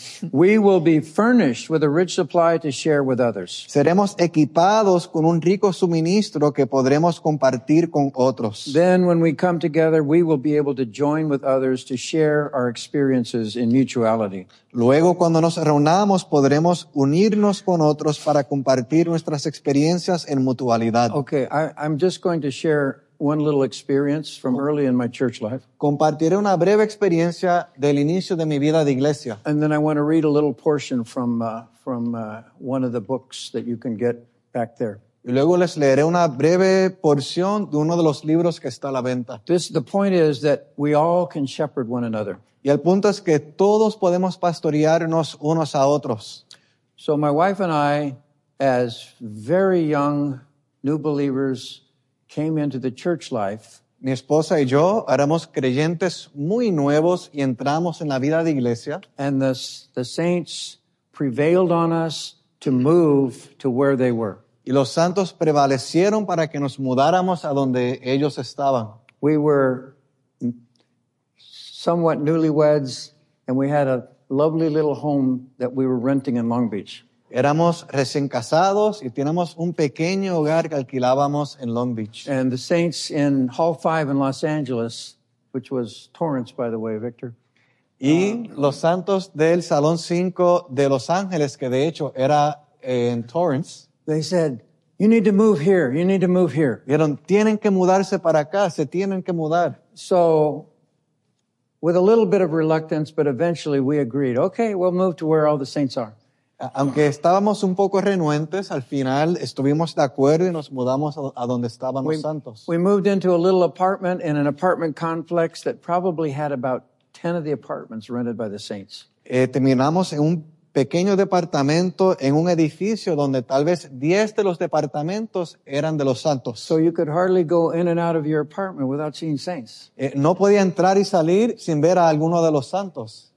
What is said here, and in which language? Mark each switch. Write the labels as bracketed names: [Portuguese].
[English] We will be furnished with a rich supply to share with others. [Spanish] Seremos equipados con un rico suministro que podremos compartir con otros. [English] Then when we come together, we will be able to join with others to share our experiences in mutuality. [Spanish] Luego cuando nos reunamos, podremos unirnos con otros para compartir nuestras experiencias en mutualidad. [English] Okay, I'm just going to share one little experience from early in my church life. [Spanish] Compartiré una breve experiencia del inicio de mi vida de iglesia. [English] And then I want to read a little portion from one of the books that you can get back there. [Spanish] Y luego les leeré una breve porción de uno de los libros que está a la venta. [English] The point is that we all can shepherd one another. [Spanish] Y el punto es que todos podemos pastorearnos unos a otros. [English] So my wife and I, as very young new believers, came into the church life. [Spanish] Mi esposa y yo éramos creyentes muy nuevos y entramos en la vida de iglesia. [English] And the saints prevailed on us to move to where they were. [Spanish] Y los santos prevalecieron para que nos mudáramos a donde ellos estaban. [English] We were somewhat newlyweds and we had a lovely little home that we were renting in Long Beach. [Spanish] Éramos recién casados y teníamos un pequeño hogar que alquilábamos en Long Beach. [English] And the saints in Hall 5 in Los Angeles, which was Torrance, by the way, Victor. [Spanish] Y los santos del Salón 5 de Los Ángeles, que de hecho era en Torrance. [English] They said, you need to move here, you need to move here. [Spanish] Dijeron, tienen que mudarse para acá, se tienen que mudar. [English] So, with a little bit of reluctance, but eventually we agreed, okay, we'll move to where all the saints are. [Spanish] Aunque estábamos un poco renuentes, al final estuvimos de acuerdo y nos mudamos a donde estaban los santos. [English] We moved into a little apartment in an apartment complex that probably had about 10 of the apartments rented by the saints. [Spanish] Terminamos en un pequeño departamento en un edificio donde tal vez 10 de los departamentos eran de los santos. [English] So you could hardly go in and out of your apartment without seeing saints. [Spanish] No podía entrar y salir sin ver a alguno de los santos.